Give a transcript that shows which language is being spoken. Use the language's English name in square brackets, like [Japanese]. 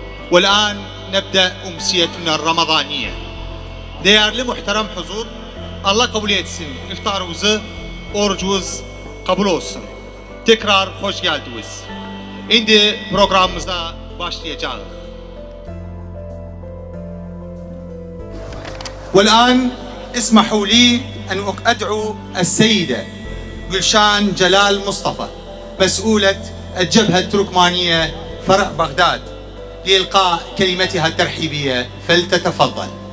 [Arabic] والآن نبدأ أمسيتنا الرمضانية. [Turkish] Değerli muhterem huzur, Allah kabul etsin iftarımızı, orucumuz kabul olsun. Tekrar hoş geldiniz. Şimdi programımıza başlayacağız. [Arabic] والآن اسمحوا لي أن أدعو السيدة جلشان جلال مصطفى مسؤولة الجبهة التركمانية فرع بغداد لإلقاء كلمتها الترحيبية، فلتتفضل.